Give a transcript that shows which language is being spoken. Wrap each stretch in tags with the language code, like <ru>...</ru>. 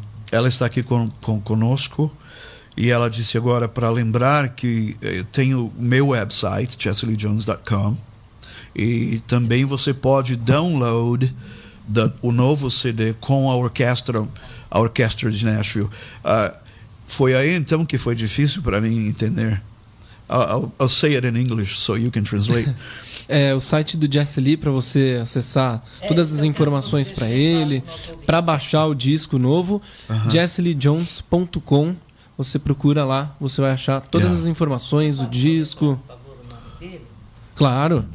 <pt>Ela está aqui conosco. E ela disse agora, para lembrar, que tem o meu website, jesseleejones.com, e também você pode download o novo CD com a orquestra de Nashville. Foi aí então que foi difícil para mim entender.</pt> <en>I'll say it in English so you can translate.</en> <pt>O site do Jesse Lee, para você acessar todas as informações para ele, para baixar o disco novo, jesseleejones.com. Você procura lá, você vai achar todas as informações, o disco. Por favor, o nome dele? Claro.</pt>